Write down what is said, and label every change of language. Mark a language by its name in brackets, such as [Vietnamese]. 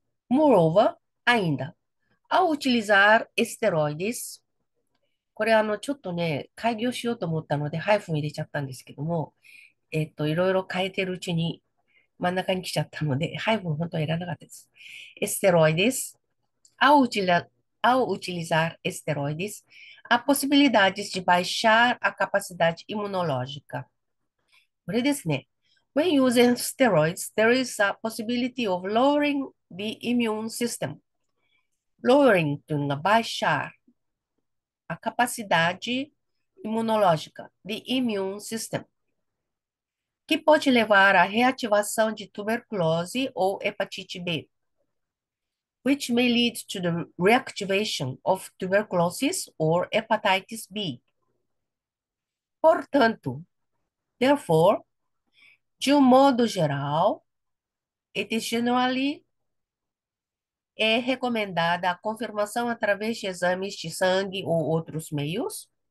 [English] Moreover, [Portuguese] ainda, ao utilizar esteroides、 [Japanese] これちょっとね、改行しようと思ったので、ハイフン入れちゃったんですけども、いろいろ変えてるうちに真ん中に来ちゃったので、ハイフン本当はいらなかったです。 [Portuguese] esteroides, ao utilizar esteroides, há possibilidades de baixar a capacidade imunológica. [Japanese] これですね。 [English] When using steroids, there is a possibility of lowering the immune system. [Portuguese] Lowering [Japanese] というのが [Portuguese] baixar. A capacidade imunológica, [English] the immune system. [Portuguese] Que pode levar à reativação de tuberculose ou hepatite B. [English] Which may lead to the reactivation of tuberculosis or hepatitis B. [Portuguese] Portanto, [English] therefore, [Portuguese] De modo geral, [English] it is generally [Portuguese] recomendada a confirmação através de exames de sangue ou outros meios.